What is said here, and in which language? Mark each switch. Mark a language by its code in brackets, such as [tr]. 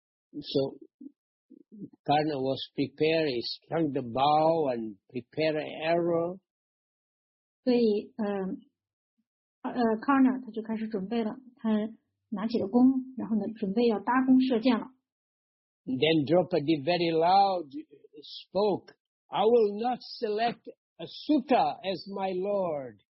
[en] So Karna was prepared, he strung the bow and prepared an arrow. [zh] 所以 Karna 他就开始准备了，他拿起了弓，然后呢准备要搭弓射箭了。 [en] Then Draupadi very loud spoke, I will not select Asuka as my lord.